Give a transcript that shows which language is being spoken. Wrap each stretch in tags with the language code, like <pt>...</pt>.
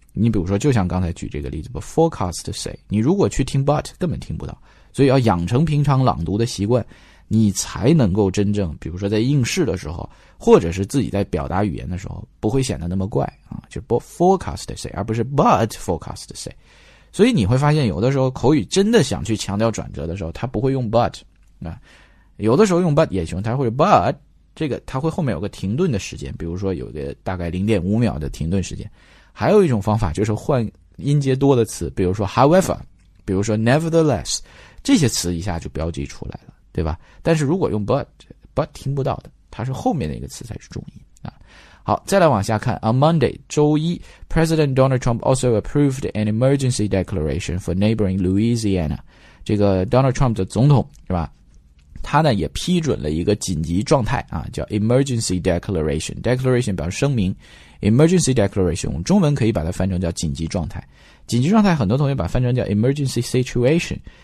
<zh>你比如说就像刚才举这个例子</zh> <en>but forecast say,</en> <zh>你如果去听 but 根本听不到，所以要养成平常朗读的习惯，你才能够真正比如说在应试的时候或者是自己在表达语言的时候不会显得那么怪啊，就是 but forecast say 而不是 but forecast say,所以你会发现有的时候口语真的想去强调转折的时候他不会用 but, 啊，有的时候用 but 也行，他会 but, 这个他会后面有个停顿的时间，比如说有个大概 0.5 秒的停顿时间。还有一种方法就是换音节多的词，比如说 however, 比如说 nevertheless, 这些词一下就标记出来了，对吧？但是如果用 but 听不到的，它是后面那个词才是重音。好，再来往下看。</zh> <en>On Monday,</en> <zh>周一</zh> <en>President Donald Trump also approved an emergency declaration for neighboring Louisiana.</en> <zh>这个 Donald Trump 的总统是吧，他呢也批准了一个紧急状态啊，叫 Emergency Declaration， Declaration 表示声明， Emergency Declaration 我们中文可以把它翻成叫紧急状态，紧急状态很多同学把翻成叫 Emergency Situation，</zh>